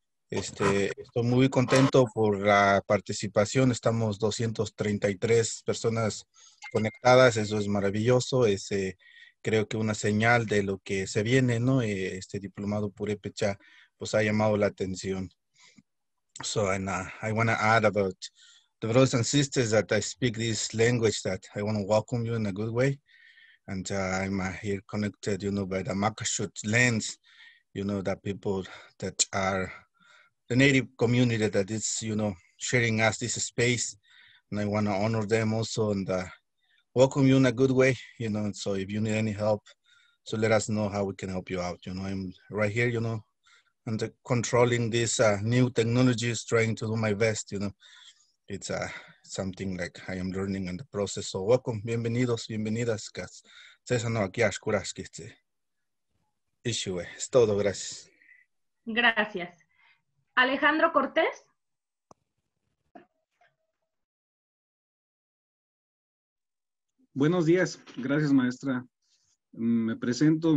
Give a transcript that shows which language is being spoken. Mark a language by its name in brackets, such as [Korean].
[Spanish] Estoy muy contento por la participación. Estamos 233 personas conectadas. Eso es maravilloso. Es creo que una señal de lo que se viene, ¿no? Este diplomado Purépecha pues ha llamado la atención. [English] So and I want to add about the brothers and sisters that I speak this language, that I want to welcome you in a good way. And I'm here connected, you know, by the Makashut lands, you know, the people that are the native community that is, you know, sharing us this space, and I want to honor them also and welcome you in a good way, you know. So if you need any help, so let us know how we can help you out, you know. I'm right here, you know, and controlling this new technology, is trying to do my best, you know. It's something like I am learning in the process. So welcome, [Spanish] bienvenidos, bienvenidas, [English] guys. [Spanish] César no aquí ascuras que este issue es todo. Gracias. Gracias. Alejandro Cortés. Buenos días. Gracias, maestra. Me presento.